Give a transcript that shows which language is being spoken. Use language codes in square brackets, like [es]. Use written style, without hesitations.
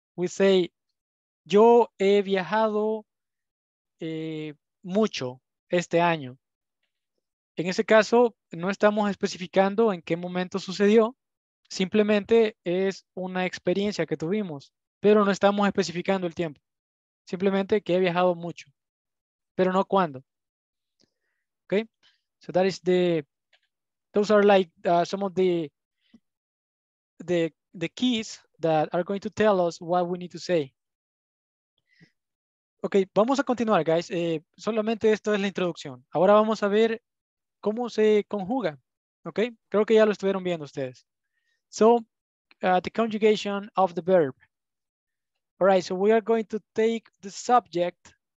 [en] We say, [es] yo he viajado mucho este año. En ese caso, no estamos especificando en qué momento sucedió. Simplemente es una experiencia que tuvimos, pero no estamos especificando el tiempo. Simplemente que he viajado mucho. pero no cuándo. [en] Okay, so that is the, those are like some of the keys that are going to tell us what we need to say. [es] Okay, vamos a continuar, guys. Solamente esto es la introducción. Ahora vamos a ver cómo se conjuga. Okay, creo que ya lo estuvieron viendo ustedes. [en] So, the conjugation of the verb. All right, so we are going to take the subject.